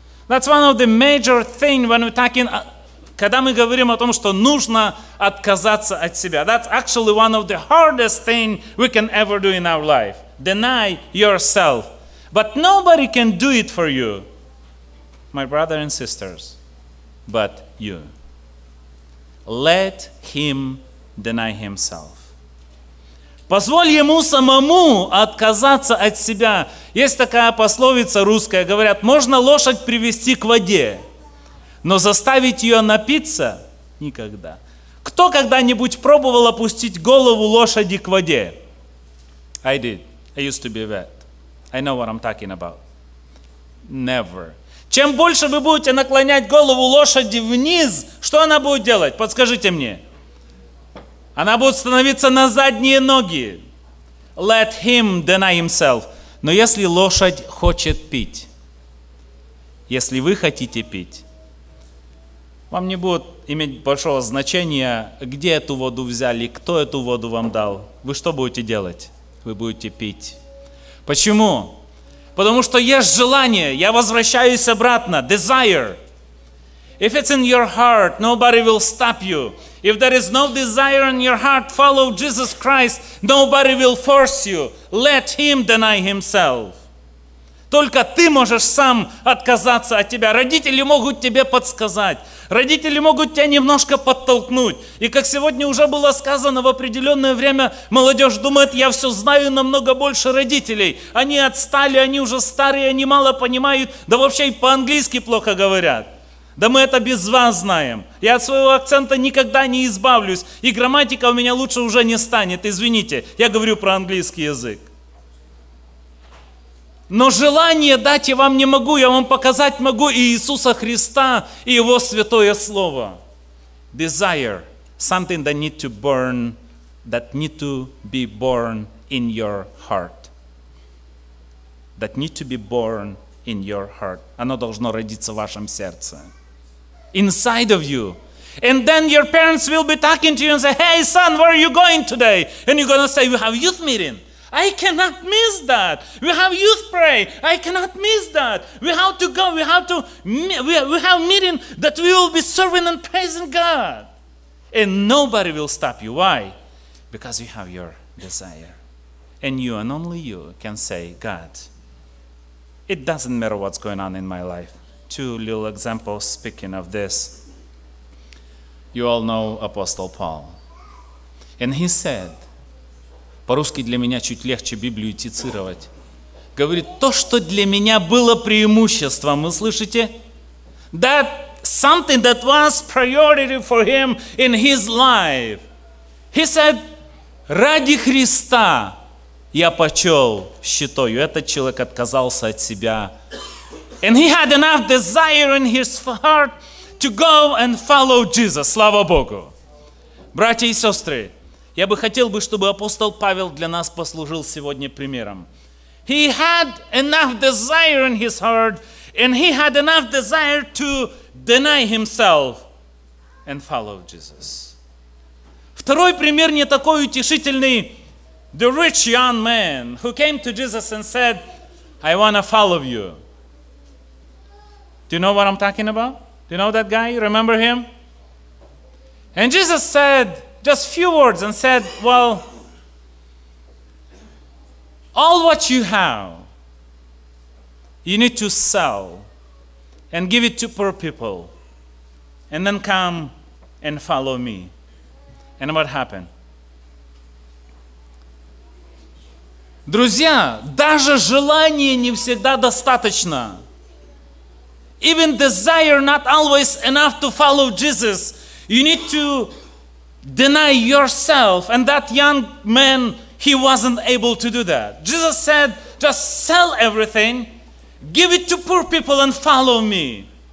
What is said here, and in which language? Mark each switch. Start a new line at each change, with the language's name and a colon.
English: That's one of the major things when we're talking,
Russian: когда мы говорим о том, что нужно отказаться от себя.
English: That's actually one of the hardest things we can ever do in our life. Deny yourself. But nobody can do it for you, my brothers and sisters, but you. Let him deny himself.
Russian: Позволь ему самому отказаться от себя. Есть такая пословица русская, говорят, можно лошадь привести к воде, но заставить ее напиться никогда. Кто когда-нибудь пробовал опустить голову лошади к воде?
English: I did. I used to be a vet. I know what I'm talking about. Never.
Russian: Чем больше вы будете наклонять голову лошади вниз, что она будет делать? Подскажите мне. Она будет становиться на задние ноги.
English: Let him deny himself.
Russian: Но если лошадь хочет пить, если вы хотите пить, вам не будет иметь большого значения, где эту воду взяли, кто эту воду вам дал. Вы что будете делать? Вы будете пить. Почему? Потому что есть желание. Я возвращаюсь обратно. Desire.
English: If it's in your heart, nobody will stop you. If there is no desire in your heart, follow Jesus Christ. Nobody will force you. Let him deny himself.
Russian: Только ты можешь сам отказаться от тебя. Родители могут тебе подсказать. Родители могут тебя немножко подтолкнуть. И как сегодня уже было сказано, в определенное время молодежь думает, я все знаю намного больше родителей. Они отстали, они уже старые, они мало понимают. Да вообще и по-английски плохо говорят. Да мы это без вас знаем. Я от своего акцента никогда не избавлюсь. И грамматика у меня лучше уже не станет. Извините, я говорю про английский язык. Но желание дать я вам не могу, я вам показать могу и Иисуса Христа, и Его Святое Слово.
English: Desire, something that need to burn, that need to be born in your heart. That need to be born in your heart.
Russian: Оно должно родиться в вашем сердце.
English: Inside of you. And then your parents will be talking to you and say, hey son, where are you going today? And you're going to say, we have youth meeting. I cannot miss that. We have youth pray. I cannot miss that. We have to go. We have meeting that we will be serving and praising God. And nobody will stop you. Why? Because you have your desire. And you and only you can say, God, it doesn't matter what's going on in my life. Two little examples speaking of this. You all know Apostle Paul. And he said,
Russian: по-русски для меня чуть легче Библию цитировать. Говорит, то, что для меня было преимуществом, вы слышите?
English: That something that was priority for him in his life. He said,
Russian: ради Христа я почел щитою. Этот человек отказался от себя.
English: And he had enough desire in his heart to go and follow Jesus.
Russian: Слава Богу. Братья и сестры, я бы хотел, чтобы апостол Павел для нас послужил сегодня примером.
English: He had enough desire in his heart, and he had enough desire to deny himself and follow Jesus.
Russian: Второй пример не такой утешительный.
English: The rich young man who came to Jesus and said, I want to follow you. Do you know what I'm talking about? Do you know that guy? Remember him? And Jesus said just a few words and said, well, all what you have, you need to sell and give it to poor people. And then come and follow me. And what happened?
Russian: Друзья, даже желание не всегда достаточно.
English: Even desire not always enough to follow Jesus. You need to deny yourself. And that young man, he wasn't able to do that. Jesus said, just sell everything, give it to poor people and follow me.